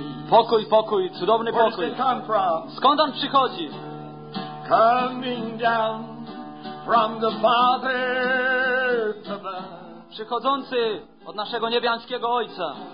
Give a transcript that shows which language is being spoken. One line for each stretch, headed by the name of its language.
Polish: Pokój, pokój, cudowny pokój. Skąd on przychodzi?
English: Coming down from the Father above.
Polish: Przychodzący od naszego niebiańskiego Ojca.